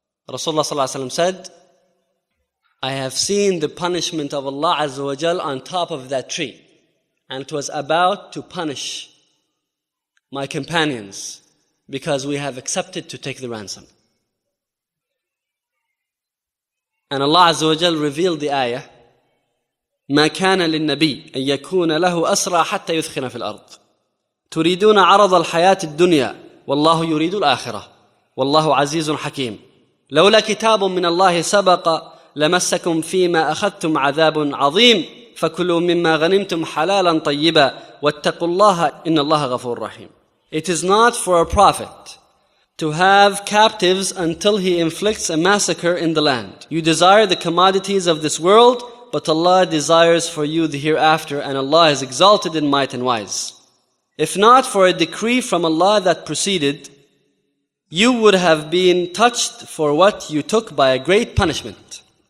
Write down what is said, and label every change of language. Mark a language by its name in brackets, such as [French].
[English] Rasulullah sallallahu alayhi wa sallam said, I have seen the punishment of Allah Azza wa Jal on top of that tree. And it was about to punish my companions because we have accepted to take the ransom. And Allah Azza wa Jal revealed the ayah, [Arabic] مَا كَانَ لِلنَّبِيِّ أَن يَكُونَ لَهُ أَسْرَى حَتَّى يُثْخِنَ فِي الْأَرْضِ تُرِيدُونَ عَرَضَ الْحَيَاةِ الدُّنْيَا وَاللَّهُ يُرِيدُ الْآخِرَةِ وَاللَّهُ عَزِيزٌ حَكِيمٌ لَوْلَا كِتَابٌ مِّنَ اللَّهِ سَبَقَ لَمَسَّكُمْ فِي مَا أَخَذْتُمْ عَذَابٌ عَظِيمٌ فَكُلُوا مِمَّا غَنِمْتُمْ حَلَالًا طَيِّبًا وَاتَّقُوا اللَّهَ إِنَّ اللَّهَ غَفُورٌ رَحِيمٌ. [English] It is not for a prophet to have captives until he inflicts a massacre in the land. You desire the commodities of this world, but Allah desires for you the hereafter, and Allah is exalted in might and wise. If not for a decree from Allah that preceded, you would have been touched for what you took by a great punishment.